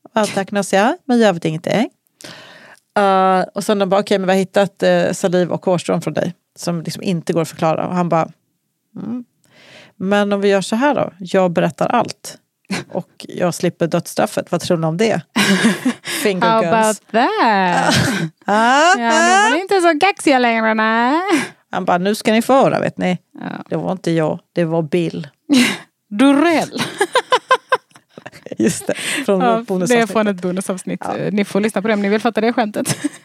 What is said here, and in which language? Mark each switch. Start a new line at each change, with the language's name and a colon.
Swedish: Allt där kan jag säga, men jag vet ingenting. Och sen de bara, okej, okay, men vi har hittat saliv och hårstrån från dig. Som liksom inte går att förklara. Och han bara, men om vi gör så här då, jag berättar allt. Och jag slipper dödsstraffet. Vad tror ni om det?
English: Finger guns. How about that?
Swedish: Ja, det var inte så kaxiga längre. Nej. Han bara, nu ska ni få höra, vet ni. Ja. Det var inte jag, det var Bill. Durell. Just det. Från ja, det är från ett bonusavsnitt. Ja. Ni får lyssna på det om ni vill fatta det skämtet.